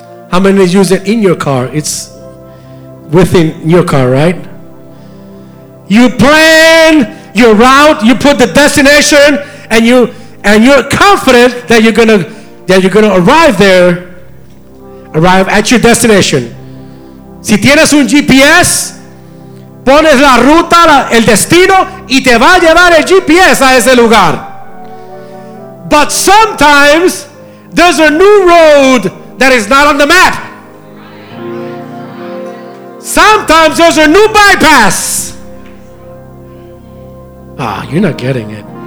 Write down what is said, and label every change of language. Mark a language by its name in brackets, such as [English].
[English] How many use it in your car? It's within your car, right? You plan your route, you put the destination, and you're confident that you're gonna arrive there, arrive at your destination. [Spanish] Si tienes un GPS, pones la ruta, el destino, y te va a llevar el GPS a ese lugar. [English] But sometimes there's a new road that is not on the map. Sometimes there's a new bypass. Ah, you're not getting it.